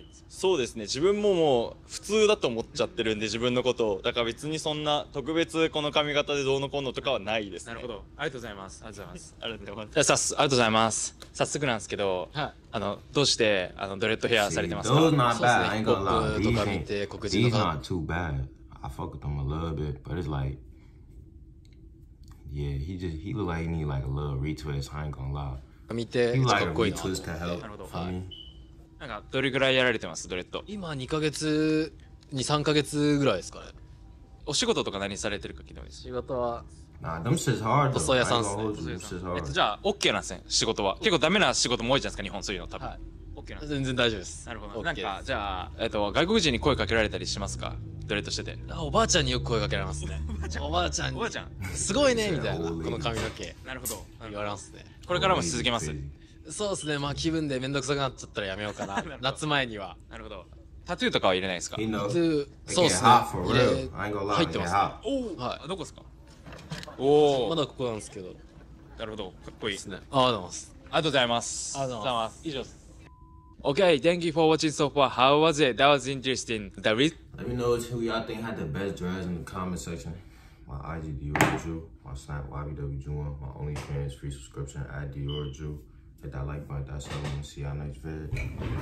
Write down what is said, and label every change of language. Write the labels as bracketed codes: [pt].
[ja] んですよ。そうですね、自分ももう普通だと思っちゃってるんで自分のことを、だから別にそんな特別この髪型でどうのこうのとかはないですね。なるほど、ありがとうございます。ありがとうございます。ありがとうございます。早速なんですけど、はい、あのどうしてあのドレッドヘアされてますか？ [en] See, those not bad. [ja] そうですね、僕とか見て黒人とか [en] These not too bad. I fuck with them a little bit, but it's likeYeah, he look like he need like a little retwist. I ain't gonna lie. He like a retwist to help. [ja] なるほど。はい。なんかどれぐらいやられてます、ドレッド？今2-3ヶ月ぐらいですかね。お仕事とか何されてるか聞いてもいいです。仕事は。 [en] Nah, them shit's hard. [ja] 塗装屋さんっすね。じゃあ OK なんですね、仕事は。結構ダメな仕事も多いじゃないですか、日本そういうの多分。はい。 OK なんです。全然大丈夫です。なるほど。なんかじゃあ外国人に声かけられたりしますか？ドレッドしてて、おばあちゃんによく声かけられますね。おばあちゃん、おばあちゃん、すごいねみたいな、この髪の毛。なるほど。言われますね。これからも続けます。そうですね。まあ気分でめんどくさくなっちゃったらやめようかな。夏前には。なるほど。タトゥーとかは入れないですか？タトゥー、そうですね。入れ、入ってます、ね。おお。はい。どこですか？おお。まだここなんですけど。なるほど。かっこいいですね。ありがとうございます。ありがとうございます。ありがとうございます。以上です。 [en] Okay, thank you for watching so far. How was it? That was interesting. Let me know who y'all think had the best dress in the comment section. My IG, Dior Drew. My Snap, YBWJuan. My OnlyFans, free subscription, @DiorDrew. Hit that like button, that's all. See y'all next vid.